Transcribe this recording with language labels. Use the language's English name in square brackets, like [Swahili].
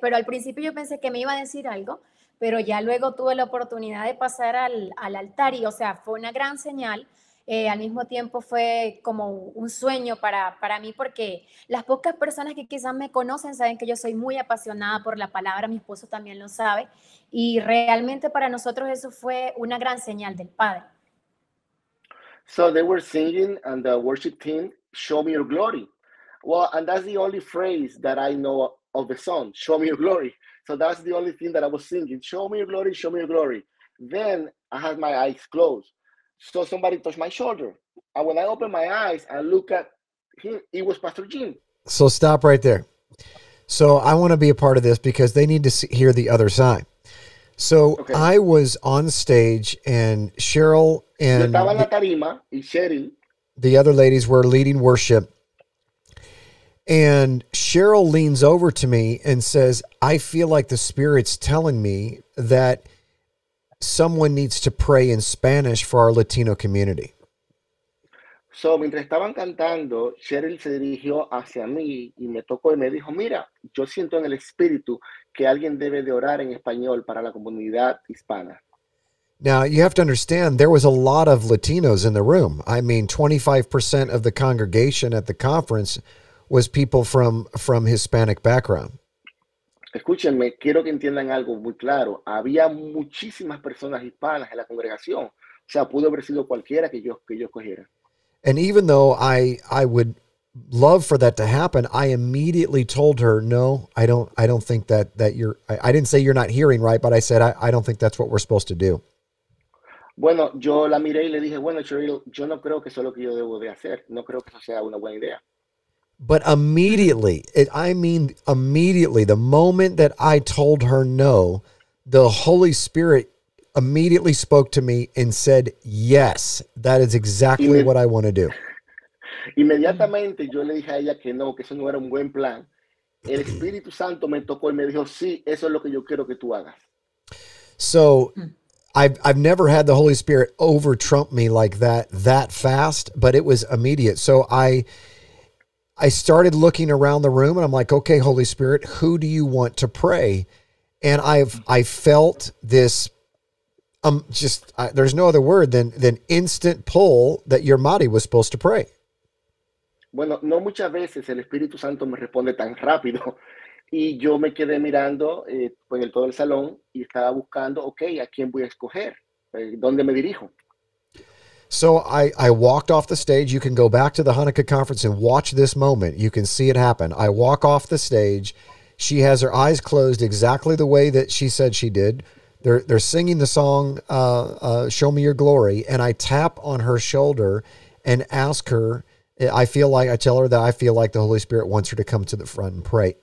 [Spanish] Pero al principio yo pensé que me iba a decir algo, pero ya luego tuve la oportunidad de pasar al altar y, o sea, fue una gran señal. Al mismo tiempo fue como un sueño para mí porque las pocas personas que quizás me conocen saben que yo soy muy apasionada por la palabra, mi esposo también lo sabe, y realmente para nosotros eso fue una gran señal del Padre. [English] So they were singing and the worship team, "Show me your glory." Well, and that's the only phrase that I know of the song, "Show me your glory." So that's the only thing that I was singing, "Show me your glory, show me your glory." Then I had my eyes closed. So somebody touched my shoulder. And when I opened my eyes and look at him, it was Pastor Jim. So stop right there. So I want to be a part of this because they need to hear the other side. So okay. I was on stage and Cheryl and the other ladies were leading worship. And Cheryl leans over to me and says, "I feel like the Spirit's telling me that someone needs to pray in Spanish for our Latino community." [Spanish] So mientras estaban cantando, Cheryl se dirigió hacia mí y me tocó y me dijo, "Mira, yo siento en el espíritu que alguien debe de orar en español para la comunidad hispana." [English] Now, you have to understand, there was a lot of Latinos in the room. I mean, 25% of the congregation at the conference was people from Hispanic background. [Spanish] Escúchenme, quiero que entiendan algo muy claro. Había muchísimas personas hispanas en la congregación. O sea, pudo haber sido cualquiera que yo escogiera. [English] And even though I would love for that to happen, I immediately told her, "No, I don't think that you're, I didn't say you're not hearing right, but I said, I don't think that's what we're supposed to do." [Spanish] Bueno, yo la miré y le dije, "Bueno, Cheryl, yo no creo que eso es lo que yo debo de hacer. No creo que eso sea una buena idea." [English] But immediately, immediately, the moment that I told her no, the Holy Spirit immediately spoke to me and said, "Yes, that is exactly what I want to do." [Spanish] Inmediatamente yo le dije a ella que no, que eso no era un buen plan. El Espíritu Santo me tocó y me dijo, "Sí, eso es lo que yo quiero que tú hagas." [English] So I've never had the Holy Spirit over trump me like that fast, but it was immediate. So I started looking around the room and I'm like, "Okay, Holy Spirit, who do you want to pray?" And I felt this there's no other word than instant pull that your Mari was supposed to pray. [Spanish] Bueno, no muchas veces el Espíritu Santo me responde tan rápido. Y yo me quedé mirando en todo el salón y estaba buscando, okay, ¿a quién voy a escoger? ¿Dónde me dirijo? [English] So I walked off the stage. You can go back to the Hanukkah conference and watch this moment. You can see it happen. I walk off the stage. She has her eyes closed exactly the way that she said she did. They're singing the song, "Show Me Your Glory." And I tap on her shoulder and ask her, I tell her that I feel like the Holy Spirit wants her to come to the front and pray.